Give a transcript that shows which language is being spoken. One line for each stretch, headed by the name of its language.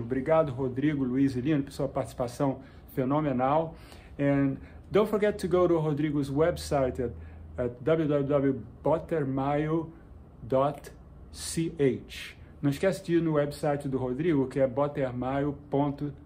Portuguese: Obrigado, Rodrigo, Luiz e Lino, por sua participação fenomenal.
English: And don't forget to go to Rodrigo's website at www.buttermaio.ch.
Portuguese: Não esquece de ir no website do Rodrigo, que é buttermaio.ch.